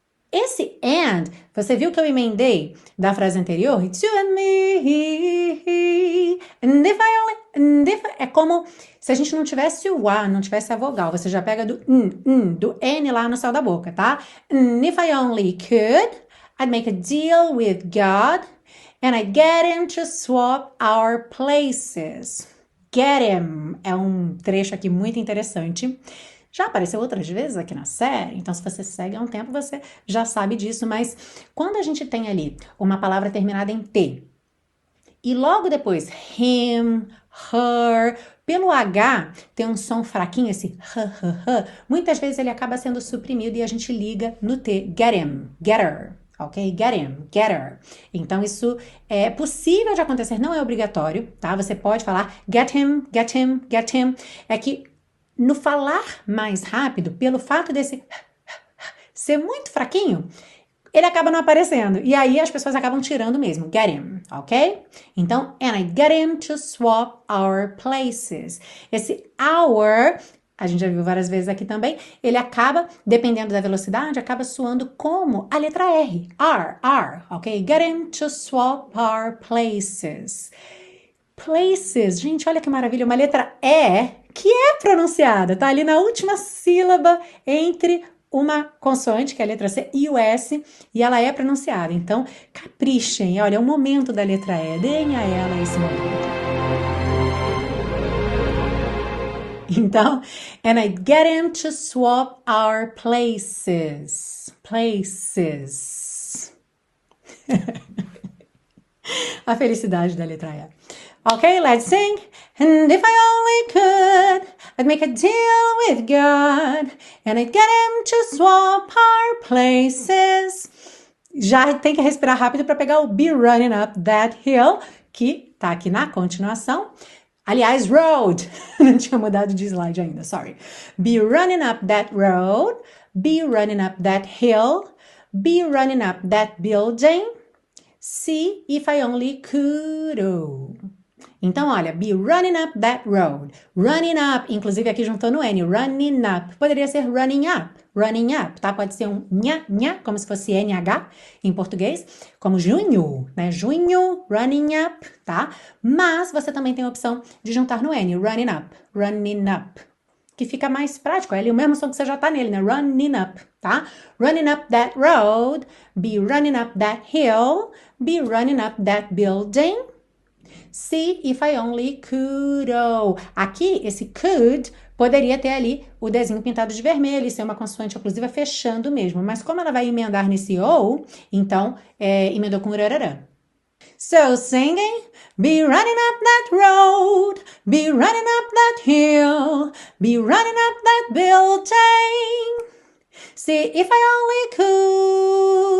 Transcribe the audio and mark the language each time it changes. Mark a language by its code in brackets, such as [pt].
[pt] Esse and, você viu que eu emendei da frase anterior? [en] It's you and me. And if I only, and if, [pt] é como se a gente não tivesse o A, não tivesse a vogal. Você já pega do do N lá no céu da boca, tá? [en] And if I only could, I'd make a deal with God and I'd get him to swap our places. [pt] Get him é um trecho aqui muito interessante. Já apareceu outras vezes aqui na série, então se você segue há um tempo, você já sabe disso, mas quando a gente tem ali uma palavra terminada em T e logo depois him, her, pelo H tem um som fraquinho, esse h, muitas vezes ele acaba sendo suprimido e a gente liga no T, get him, get her. Ok? [en] Get him, get her. [pt] Então, isso é possível de acontecer, não é obrigatório, tá? Você pode falar [en] get him, get him, get him. [pt] É que no falar mais rápido, pelo fato desse ser muito fraquinho, ele acaba não aparecendo. E aí, as pessoas acabam tirando mesmo. [en] Get him, ok? Então, and I get him to swap our places. [pt] Esse our, a gente já viu várias vezes aqui também, ele acaba, dependendo da velocidade, acaba soando como a letra R. R, R, ok? [en] Get him to swap our places. [pt] Places, gente, olha que maravilha, uma letra E que é pronunciada, tá ali na última sílaba entre uma consoante, que é a letra C, e o S, e ela é pronunciada. Então, caprichem, olha, é o momento da letra E, deem a ela esse momento. [en] Então, and I get him to swap our places. Places. [pt] A felicidade da letra E. [en] Okay, let's sing. And if I only could, I'd make a deal with God. And I'd get him to swap our places. [pt] Já tem que respirar rápido para pegar o Be Running Up That Hill, que tá aqui na continuação. Aliás, road, não tinha mudado de slide ainda, sorry. [en] Be running up that road, be running up that hill, be running up that building, see if I only could. [pt] Então, olha, [en] be running up that road, [pt] running up, inclusive aqui juntou no N, running up, poderia ser running up. Running up, tá? Pode ser um nha, nha, como se fosse NH em português, como junho, né? Junho, running up, tá? Mas você também tem a opção de juntar no N, running up, que fica mais prático, é ali o mesmo som que você já tá nele, né? [en] Running up, tá? Running up that road, be running up that hill, be running up that building, see if I only could. [pt] Aqui, esse could poderia ter ali o desenho pintado de vermelho e ser uma consoante oclusiva fechando mesmo. Mas como ela vai emendar nesse ou, então, emendou com rarará. [en] So singing, be running up that road, be running up that hill, be running up that building, see if I only could.